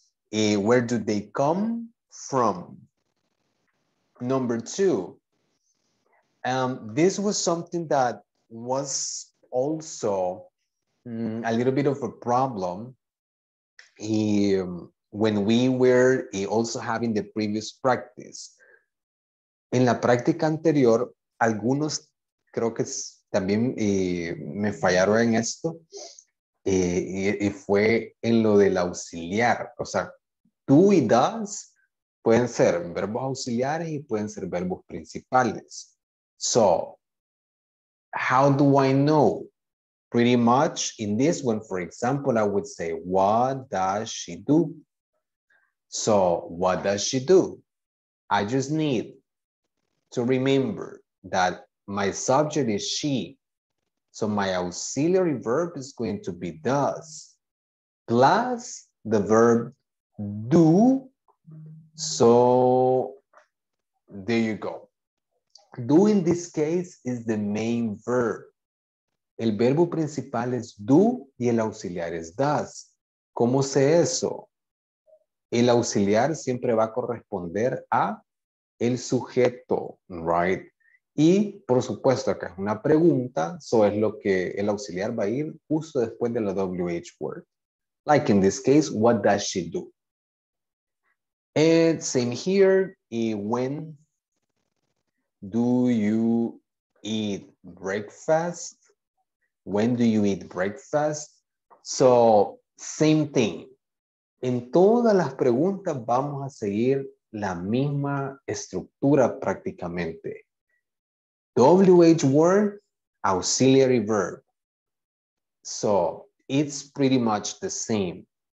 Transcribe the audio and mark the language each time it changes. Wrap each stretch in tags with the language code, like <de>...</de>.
<en>Where do they come from? Number two, this was something that was also a little bit of a problem when we were also having the previous practice.</en> <es>En la práctica anterior, algunos creo que también me fallaron en esto, y fue en lo del auxiliar, o sea, do y does pueden ser verbos auxiliares y pueden ser verbos principales.</es> <en>So, how do I know? Pretty much in this one, for example, I would say, what does she do? So, what does she do? I just need to remember that my subject is she. So, my auxiliary verb is going to be does plus the verb do. So there you go. Do in this case is the main verb.</en> <es>El verbo principal es do y el auxiliar es does. ¿Cómo sé eso? El auxiliar siempre va a corresponder a el sujeto, right? Y por supuesto, acá es una pregunta, so es lo que el auxiliar va a ir justo después de la WH word.</es> <en>Like in this case, what does she do? And same here, when do you eat breakfast? When do you eat breakfast? So Same thing.</en> <es>En todas las preguntas vamos a seguir la misma estructura prácticamente.</es> <en>WH word, auxiliary verb. So, it's pretty much the same.</en>